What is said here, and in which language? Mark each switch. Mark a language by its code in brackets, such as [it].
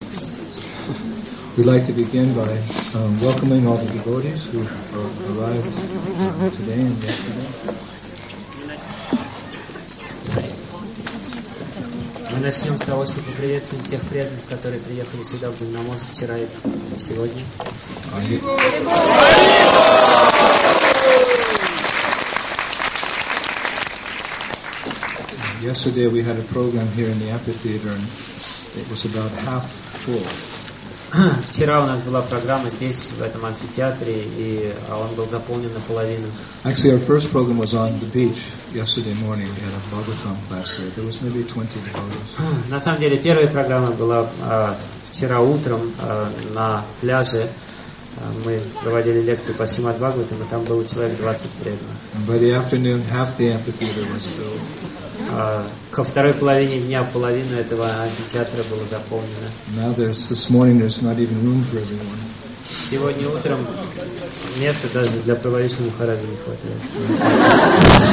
[en] We'd like to begin by welcoming all the devotees who arrived today and yesterday. [ru] Мы начнем с того, чтобы приветствовать всех преданных, которые приехали сюда в Дивномост вчера и сегодня. [en] Yesterday we had a program here in the amphitheater, and it was about half full. [ru] Вчера у нас была программа здесь, в этом амфитеатре, и он был заполнен наполовину. [en] Actually, our first program was on the beach yesterday morning. We had a Bhagavatam class there. There was maybe 20 devotees. [ru] На самом деле, первая программа была вчера утром на пляже. Мы проводили лекцию по Шримад Бхагаватам, и там было человек 20 преданных. [en] By the afternoon, half the amphitheater was filled. [ru] Ко второй половине дня половина этого амфитеатра была заполнена. [en] Now this morning there's not even room for everyone. [ru] Сегодня утром места даже для проводящего Махараджа не хватает.